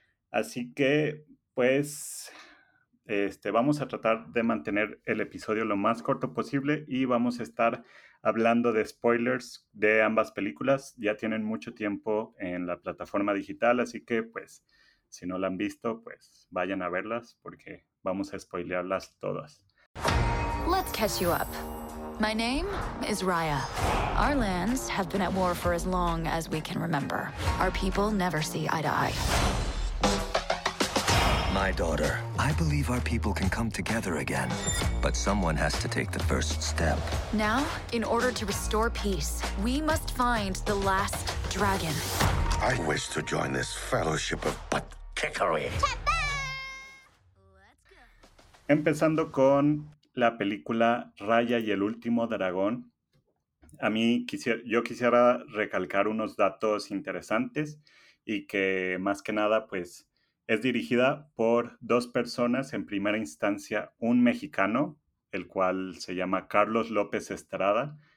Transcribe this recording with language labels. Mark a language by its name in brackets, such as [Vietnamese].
[Spanish] Así que, pues, vamos a tratar de mantener el episodio lo más corto posible y vamos a estar hablando de spoilers de ambas películas. Ya tienen mucho tiempo en la plataforma digital, así que, pues, si no la han visto, pues, vayan a verlas porque vamos a spoilearlas todas. [English] Let's catch you up. My name is Raya. Our lands have been at war for as long as we can remember. Our people never see eye to eye. My daughter, I believe our people can come together again, but someone has to take the first step. Now, in order to restore peace, we must find the last dragon. I wish to join this fellowship of butt-kickery. Let's go. [Spanish] Empezando con la película Raya y el último dragón. Yo quisiera recalcar unos datos interesantes y que más que nada pues es dirigida por dos personas, en primera instancia un mexicano, el cual se llama Carlos López Estrada.